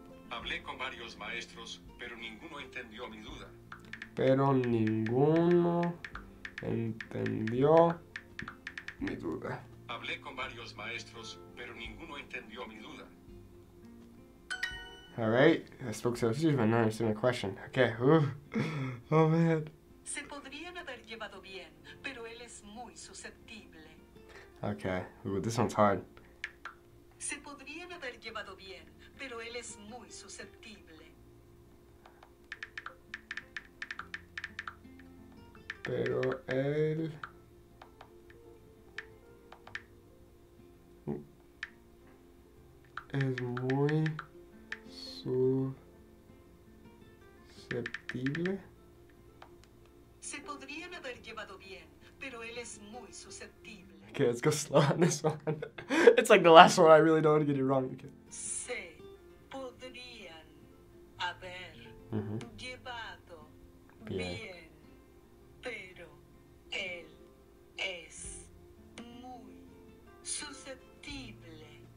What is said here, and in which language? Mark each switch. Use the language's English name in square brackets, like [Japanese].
[Spanish] Hablé con varios maestros, pero ninguno entendió mi duda. Pero ninguno entendió mi duda. Hablé con varios maestros, pero ninguno entendió mi duda. [English] All right, I spoke to her, but not answering my question. Okay, ooh. Oh man. [Spanish] Se podrían haber llevado bien, pero él es muy susceptible. [English] Okay, ooh, this one's hard. [Spanish] Se podrían haber llevado bien, pero él es muy susceptible. Pero él... es muy... susceptible. Se podrían haber llevado bien, pero él es muy susceptible. [English] Okay, let's go slow on this one. It's like the last one. I really don't want to get it wrong. Okay. [Spanish] Se podrían haber llevado bien, pero él es muy susceptible.